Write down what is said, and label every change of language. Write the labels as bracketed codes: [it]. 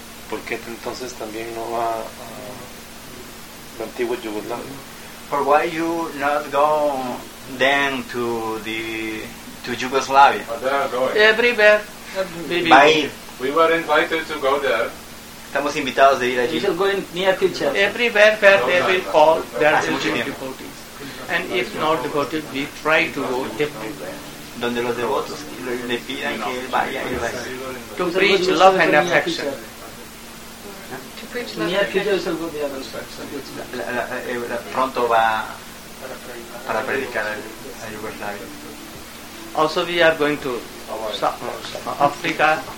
[es] ¿Por qué entonces también no va a la antigua Yugoslavia? [en] For why you not go then to the to Yugoslavia? But they are going. Everywhere. We were invited to go there. [es] Estamos invitados de ir allí. [en] We shall go in near future. Everywhere where they will call, there will be devotees. And if not devoted, we try to go everywhere. [es] Donde los devotos le pidan que él vaya, él va. [en] To preach love and affection. To preach love and affection. [es] Pronto va para predicar a Yugoslavia. [en] Also, we are going to Africa,